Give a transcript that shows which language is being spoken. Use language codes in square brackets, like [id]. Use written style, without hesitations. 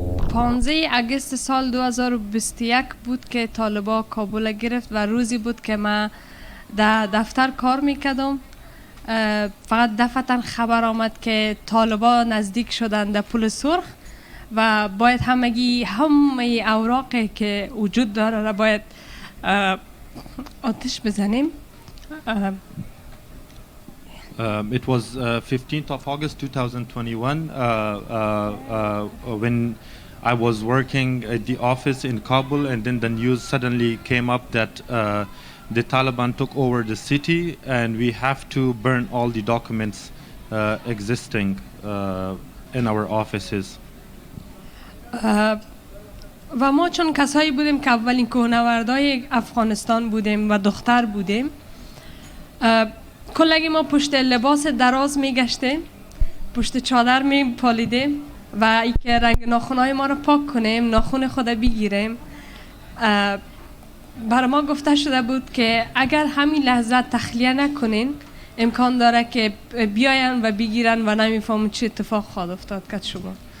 [fa] پانزه اگست سال 2021 بود که طالبا کابل گرفت و روزی بود که من در دفتر کار میکردم. فقط دفتن خبر آمد که طالبا نزدیک شدند در پل سرخ و باید همه اوراقی که وجود داره را باید آتش بزنیم. [en] It was 15th of August 2021 when I was working at the office in Kabul, and then the news suddenly came up that the Taliban took over the city and we have to burn all the documents existing in our offices. [fa] و ما چون کسایی بودیم که اولین کوهنوردای افغانستان بودیم و دختر بودیم کلگی ما پشت لباس دراز میگشتیم پشت چادر میپالیدیم و ای که رنگ ناخونای ما رو پاک کنیم ناخون خود بگیریم برای ما گفته شده بود که اگر همین لحظه تخلیه نکنین امکان داره که بیاین و بگیرن و نمیفهمون چه اتفاق خواهد افتاد که شما